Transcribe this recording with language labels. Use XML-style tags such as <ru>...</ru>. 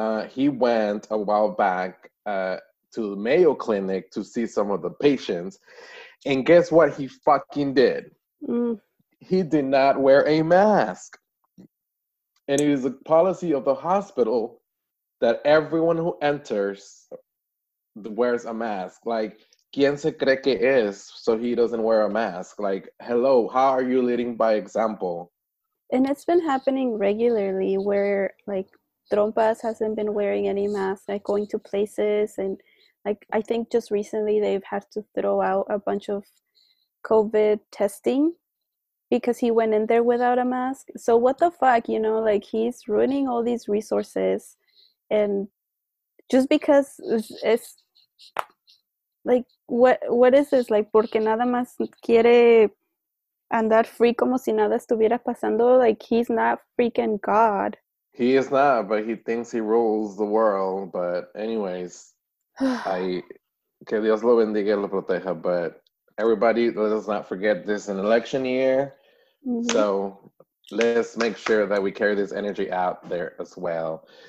<en>He went a while back to the Mayo Clinic to see some of the patients. And guess what he fucking did? He did not wear a mask. And it is a policy of the hospital that everyone who enters wears a mask. Like,</en> <es>¿quién se cree que es</es> <en>so he doesn't wear a mask? Like, hello, how are you leading by example? And it's been happening regularly where, like, Trompas hasn't been wearing any mask, like, going to places. And, like, I think just recently they've had to throw out a bunch of COVID testing because he went in there without a mask. So what the fuck, you know, like, he's ruining all these resources. And just because it's like, what is this?</en> <es>Like, porque nada más quiere andar free como si nada estuviera pasando.</es> <en>Like, he's not freaking God. He is not, but he thinks he rules the world. But anyways,</en> <es>que Dios lo bendiga y lo proteja.</es> <en>But everybody, let's not forget this is an election year. Mm-hmm. So let's make sure that we carry this energy out there as well.</en>